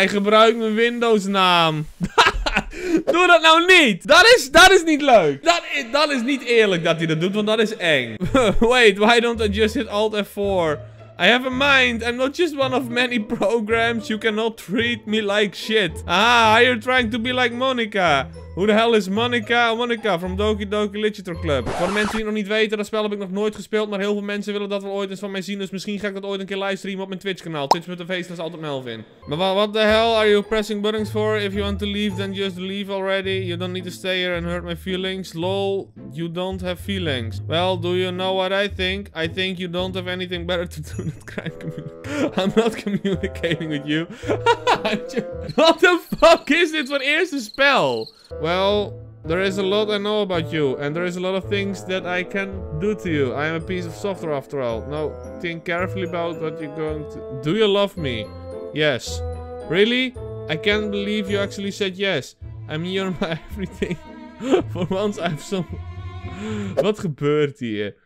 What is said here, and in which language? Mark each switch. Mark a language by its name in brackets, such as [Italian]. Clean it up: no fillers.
[Dutch] Hij gebruikt mijn Windows-naam. Doe dat nou niet. Dat is niet leuk. Dat is niet eerlijk dat hij dat doet, want dat is eng. [English] Wait, why don't I just hit Alt F4? I have a mind. I'm not just one of many programs. You cannot treat me like shit. Ah, you're trying to be like Monica. Who the hell is Monica? Monica from Doki Doki Literature Club. [Dutch] Voor de mensen die het nog niet weten, dat spel heb ik nog nooit gespeeld. Maar heel veel mensen willen dat wel ooit eens van mij zien. Dus misschien ga ik dat ooit een keer livestreamen op mijn Twitch kanaal. Twitch.tv is altijd Melvin. [English] Maar what the hell are you pressing buttons for? If you want to leave, then just leave already. You don't need to stay here and hurt my feelings. Lol, you don't have feelings. Well, do you know what I think? I think you don't have anything better to do than crime community. I'm not communicating with you. What the fuck [Dutch] is dit voor eerste spel? [English] Well, there is a lot I know about you, and there is a lot of things that I can do to you. I am a piece of software after all. Now, think carefully about what you're going to... Do you love me? Yes. Really? I can't believe you actually said yes. I mean, you're my everything. For once, I have some... [Dutch] Wat gebeurt hier?